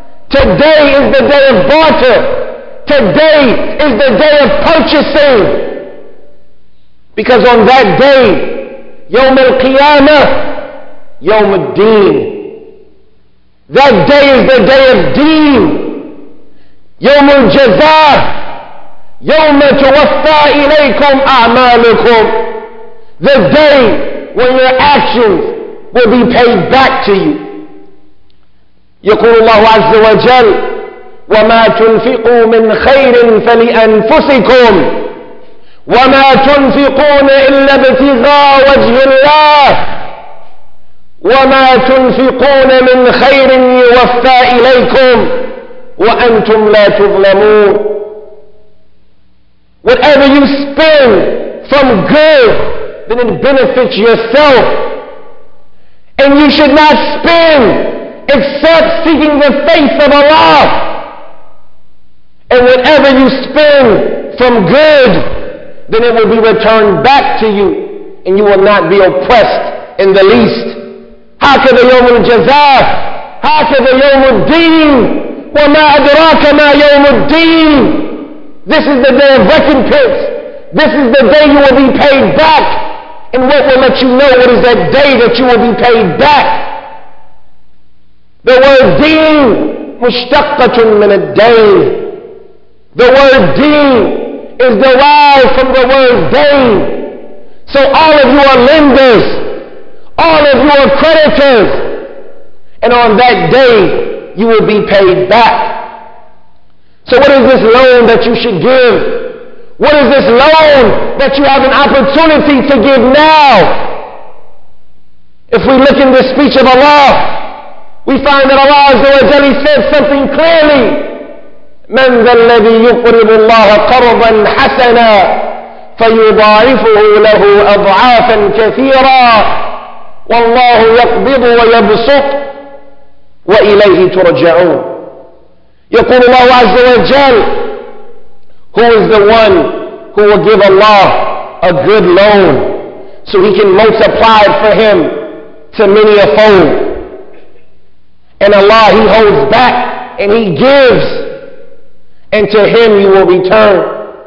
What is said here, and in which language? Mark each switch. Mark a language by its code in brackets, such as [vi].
[en] Today is the day of barter. Today is the day of purchasing. Because on that day, Yawm al-Qiyamah, Yawm al-Deen. That day is the day of deen. [ar] يوم الجزاء يوم توفى إليكم أعمالكم. [en] The day when your actions will be paid back to you. [ar] يقول الله عز وجل وما تنفقوا من خير فلأنفسكم وما تنفقون إلا ابتغاء وجه الله وَمَا تُنْفِقُونَ مِنْ خَيْرٍ يُوَفَّى إِلَيْكُمْ وَأَنْتُمْ لَا تُظْلَمُونَ. [en] Whatever you spend from good, then it benefits yourself. And you should not spend except seeking the face of Allah. And whatever you spend from good, then it will be returned back to you and you will not be oppressed in the least. [ar] هكذا يوم الجزاء هكذا يوم الدين وما أدراك ما يوم الدين. [en] This is the day of recompense. This is the day you will be paid back. And what will let you know what is that day that you will be paid back? The word deen [ar] مشتقة من الدين. [en] The word deen is derived from the word day. So all of you are lenders, all of your creditors, and on that day you will be paid back. So what is this loan that you should give? What is this loan that you have an opportunity to give now? If we look in the speech of Allah, we find that Allah Azza wa Jalla said something clearly. [ar] من ذا الذي يقرب الله قربا حسنا فيضاعفه له أضعافا كثيرا والله يقبض ويبسط وإليه ترجعون. يقول الله عز وجل [en] who is the one who will give Allah a good loan so he can multiply it for him to many a fold. And Allah, he holds back and he gives, and to him you will return.